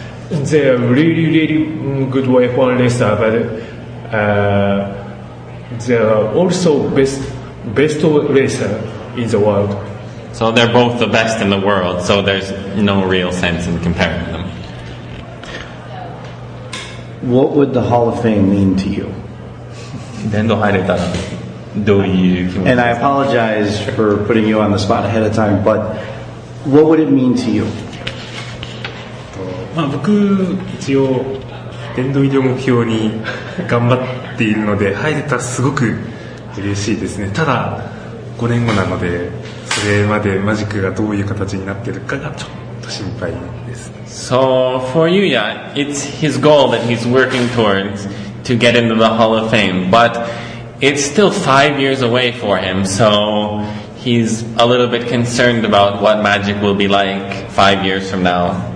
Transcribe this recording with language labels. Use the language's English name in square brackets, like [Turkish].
[English] They are really, really good F1 racer, but they are also best racer in the world. So they're both the best in the world, so there's no real sense in comparing them. What would the Hall of Fame mean to you? [Japanese] 殿堂入れたらどういう気持ち。 [English] And I apologize for putting you on the spot ahead of time, butWhat would it mean to you? [Japanese] まあ僕一応殿堂入りを目標に頑張っているので、入れたらすごく嬉しいですね。ただ5年後なので、それまでマジックがどういう形になっているかがちょっと心配です。 [English] So for Yuya, it's his goal that he's working towards to get into the Hall of Fame, but it's still 5 years away for him, soHe's a little bit concerned about what magic will be like 5 years from now.